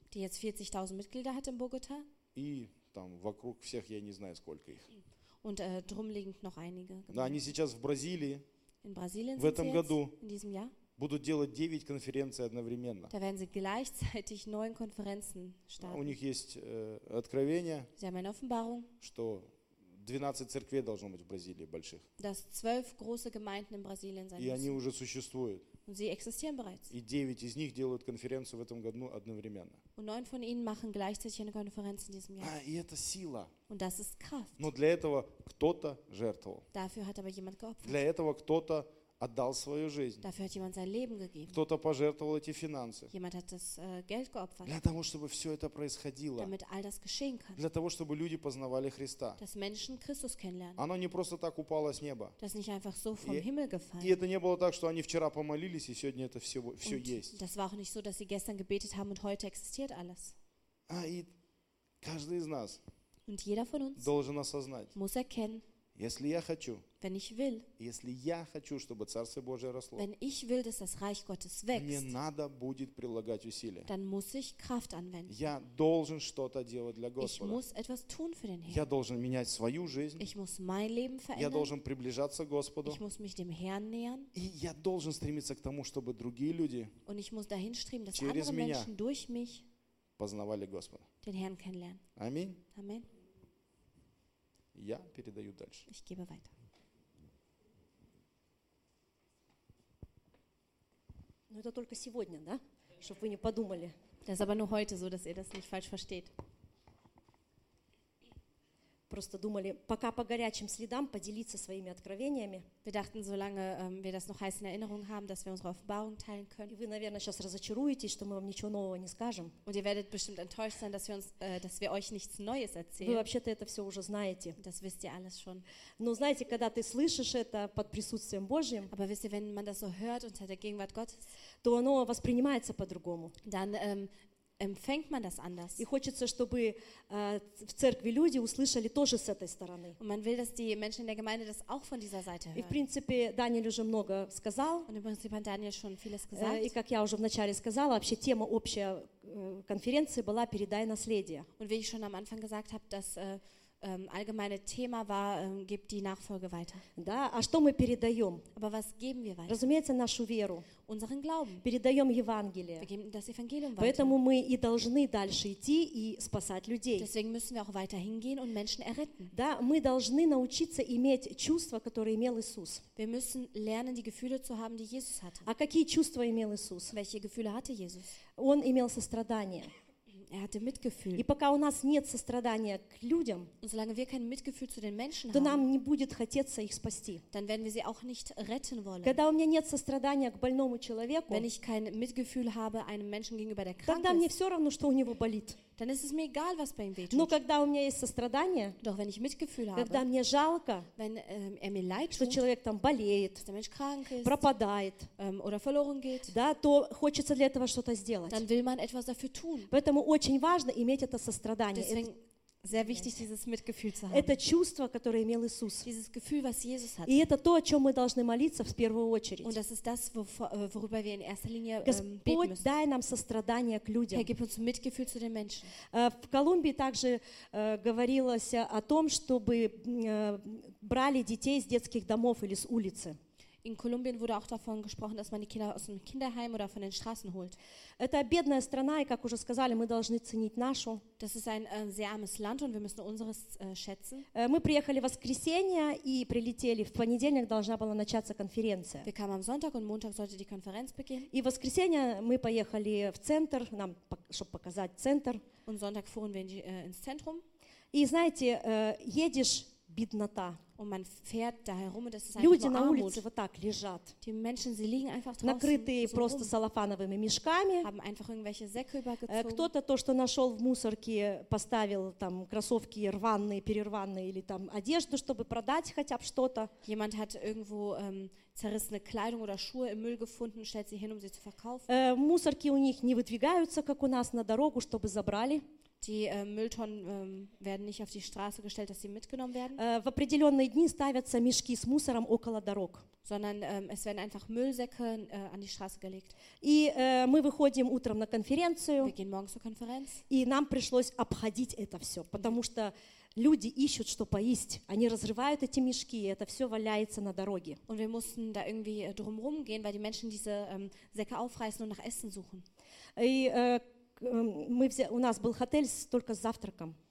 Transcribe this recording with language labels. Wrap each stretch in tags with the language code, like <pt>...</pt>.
<de>Die jetzt 40.000 Mitglieder hat in Bogota.</de> <ru>И там вокруг всех я не знаю сколько их.</ru> <de>Und drum liegen noch einige.</de> <ru>Да, они сейчас в Бразилии.</ru> <de>In Brasilien</de> <ru>в этом году.</ru> <de>In diesem Jahr.</de> <ru>Будут делать 9 конференций одновременно.</ru> <de>Da werden sie gleichzeitig 9 Konferenzen starten.</de> <ru>У них есть откровение.</ru> <de>Sie haben eine Offenbarung.</de> <ru>Что 12 церквей должно быть в Бразилии больших.</ru> <de>Dass 12 große Gemeinden in Brasilien sein müssen.</de> <ru>И они уже существуют.</ru> <de>Und sie existieren bereits.</de> <ru>И 9 из них делают конференцию в этом году одновременно.</ru> <de>Und 9 von ihnen machen gleichzeitig eine Konferenz in diesem Jahr.</de> <ru>А, и это сила.</ru> <de>Und das ist Kraft.</de> <ru>Но для этого кто-то жертвовал.</ru> <de>Dafür hat aber jemand geopfert.</de> <ru>Для этого кто-то отдал свою жизнь.</ru> <de>Dafür hat jemand sein Leben gegeben.</de> <ru>Кто-то пожертвовал эти финансы.</ru> <de>Jemand hat das, Geld geopfert.</de> <ru>Для того, чтобы все это происходило.</ru> <de>Damit all das geschehen kann.</de> <ru>Для того, чтобы люди познавали Христа.</ru> <de>Dass Menschen Christus kennenlernen.</de> <ru>Оно не просто так упало с неба.</ru> <de>Das nicht einfach so vom Himmel gefallen.</de> <ru>И это не было так, что они вчера помолились, и сегодня это все есть.</ru> <de>Das war auch nicht so, dass sie gestern gebetet haben und heute existiert alles.</de> <ru>А, и каждый из нас,</ru> <de>und jeder von uns,</de> <ru>должен осознать,</ru> <de>muss erkennen,</de> <ru>если я хочу,</ru> <de>wenn ich will,</de> <ru>если я хочу, чтобы Царствие Божие росло,</ru> <de>wenn ich will, dass das Reich Gottes wächst,</de> <ru>мне надо будет прилагать усилия.</ru> <de>Dann muss ich Kraft anwenden.</de> <ru>Я должен что-то делать для Господа.</ru> <de>Ich muss etwas tun für den Herrn.</de> <ru>Я должен менять свою жизнь.</ru> <de>Ich muss mein Leben verändern.</de> <ru>Я должен приближаться к Господу.</ru> <de>Ich muss mich dem Herrn nähern.</de> <ru>И я должен стремиться к тому, чтобы другие люди,</ru> <de>und ich muss dahin streben, dass andere Menschen durch mich</de> <ru>познавали Господа.</ru> <de>Den Herrn kennenlernen.</de> <ru>Аминь.</ru> <de>Amen.</de> <ru>Я передаю дальше.</ru> <de>Ich gebe weiter.</de> <ru>Но это только сегодня, да? Чтобы вы не подумали.</ru> <de>Das ist aber nur heute so, dass ihr das nicht falsch versteht.</de> <ru>Просто думали, пока по горячим следам поделиться своими откровениями.</ru> <de>Wir dachten, solange wir das noch heiß in Erinnerung haben, dass wir unsere Offenbarung teilen können.</de> <ru>И вы, наверное, сейчас разочаруетесь, что мы вам ничего нового не скажем.</ru> <de>Und ihr werdet bestimmt enttäuscht sein, dass wir euch nichts Neues erzählen.</de> <ru>Вы вообще-то это все уже знаете.</ru> <de>Das wisst ihr alles schon.</de> <ru>Но знаете, когда ты слышишь это под присутствием Божьим,</ru> <de>aber wisst ihr, wenn man das so hört unter der Gegenwart Gottes,</de> <ru>то оно воспринимается по-другому.</ru> <de>Dann empfängt man das anders.</de> <ru>И хочется, чтобы в церкви люди услышали тоже с этой стороны.</ru> <de>Und man will, dass die Menschen in der Gemeinde das auch von dieser Seite hören.</de> <ru>И в принципе Даниэль уже много сказал.</ru> <de>Und im Prinzip hat Daniel schon vieles gesagt.</de> <ru>И как я уже вначале сказала, вообще тема общая конференции была «Передай наследие».</ru> <de>Und wie ich schon am Anfang gesagt habe, dass allgemeine Thema war, gibt die Nachfolge weiter.</de> <ru>Да, а что мы передаем?</ru> <de>Aber was geben wir weiter?</de> <ru>Разумеется, нашу веру.</ru> <de>Unseren Glauben.</de> <ru>Передаем Евангелие.</ru> <de>Wir geben das Evangelium weiter.</de> <ru>Поэтому мы и должны дальше идти и спасать людей.</ru> <de>Deswegen müssen wir auch weiterhin gehen und Menschen erretten.</de> <ru>Да, мы должны научиться иметь чувства, которые имел Иисус.</ru> <de>Wir müssen lernen, die Gefühle zu haben, die Jesus hatte.</de> <ru>А какие чувства имел Иисус?</ru> <de>Welche Gefühle hatte Jesus?</de> <ru>Он имел сострадание.</ru> <de>Er hatte Mitgefühl.</de> <ru>И пока у нас нет сострадания к людям,</ru> <de>und solange wir kein Mitgefühl zu den Menschen haben,</de> <ru>то нам не будет хотеться их спасти.</ru> <de>Dann werden wir sie auch nicht retten wollen.</de> <ru>Когда у меня нет сострадания к больному человеку,</ru> <de>wenn ich kein Mitgefühl habe einem Menschen gegenüber, der krank ist,</de> <ru>тогда мне все равно, что у него болит.</ru> <de>Dann ist es mir egal, was bei ihm wehtut.</de> <ru>Но когда у меня есть сострадание,</ru> <de>doch wenn ich Mitgefühl habe,</de> <ru>когда мне жалко,</ru> <de>wenn er mir leid tut,</de> <ru>что человек там болеет,</ru> <de>dass der Mensch krank ist,</de> <ru>пропадает,</ru> <de>oder verloren geht,</de> <ru>да, то хочется для этого что-то сделать.</ru> <de>Dann will man etwas dafür tun.</de> <ru>Поэтому очень важно иметь это сострадание.</ru> <de>Deswegen sehr wichtig, dieses Mitgefühl zu haben.</de> <ru>Это чувство, которое имел Иисус.</ru> <de>Dieses Gefühl, was Jesus hatte.</de> <ru>И это то, о чем мы должны молиться в первую очередь.</ru> <de>Und das ist das, worüber wir in erster Linie beten müssen.</de> <ru>Господь, дай нам сострадание к людям.</ru> <de>Herr, gib uns Mitgefühl zu den Menschen.</de> <ru>В Колумбии также говорилось о том, чтобы брали детей из детских домов или с улицы.</ru> <de>In Kolumbien wurde auch davon gesprochen, dass man die Kinder aus dem Kinderheim oder von den Straßen holt.</de> <ru>Это бедная страна, и как уже сказали, мы должны ценить нашу.</ru> <de>Das ist ein sehr armes Land und wir müssen unseres schätzen.</de> <ru>Мы приехали в воскресенье и прилетели. В понедельник должна была начаться конференция.</ru> <de>Wir kamen am Sonntag und Montag sollte die Konferenz beginnen.</de> <ru>И в воскресенье мы поехали в центр, нам, чтобы показать центр.</ru> <de>Und Sonntag fuhren wir ins Zentrum.</de> <ru>И знаете, едешь, беднота.</ru> <de>Und man fährt da herum, das ist einfach</de> <ru>люди</ru> <de>nur</de> <ru>на</ru> <de>Armut.</de> <ru>Улице вот так лежат,</ru> <de>die Menschen, sie liegen einfach draußen,</de> <ru>накрытые</ru> <de>so</de> <ru>просто</ru> <de>rum,</de> <ru>салофановыми мешками,</ru> <de>haben einfach irgendwelche Säcke übergezogen.</de> <ru>Кто-то то, что нашел в мусорке, поставил там кроссовки рваные, перерванные, или там одежду, чтобы продать хотя бы что-то.</ru> <de>Jemand hat irgendwo zerrissene Kleidung oder Schuhe im Müll gefunden, stellt sie hin, um sie zu verkaufen.</de> <ru>Мусорки у них не выдвигаются, как у нас, на дорогу, чтобы забрали.</ru> <de>Die Mülltonnen werden nicht auf die Straße gestellt, dass sie mitgenommen werden.</de> <ru>В определенные дни ставятся мешки с мусором около дорог.</ru> <de>Sondern es werden einfach Müllsäcke an die Straße gelegt.</de> <ru>И мы выходим утром на конференцию.</ru> <de>Wir gehen morgens zur Konferenz.</de> <ru>И нам пришлось обходить это все, потому что люди ищут, что поесть. Они разрывают эти мешки, и это все валяется на дороге.</ru> <de>Und wir mussten da irgendwie drumherum gehen, weil die Menschen diese Säcke aufreißen und nach Essen suchen.</de> <ru>И у нас был отель только с завтраком.</ru>